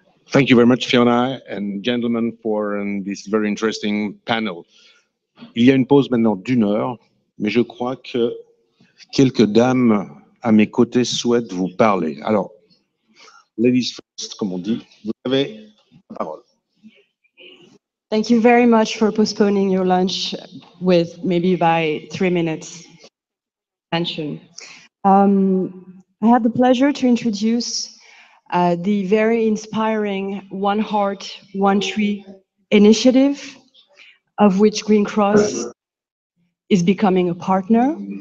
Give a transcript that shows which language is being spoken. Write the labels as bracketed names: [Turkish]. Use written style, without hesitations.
[English] Thank you very much, Fiona and gentlemen, for this very interesting panel. [French] Il y a une pause maintenant d'une heure, mais je crois que quelques dames à mes côtés souhaitent vous parler. Alors, [English] ladies first, [French] comme on dit, vous avez la parole. [English] Thank you very much for postponing your lunch with maybe by 3 minutes. Mention. I had the pleasure to introduce the very inspiring One Heart, One Tree initiative, of which Green Cross is becoming a partner.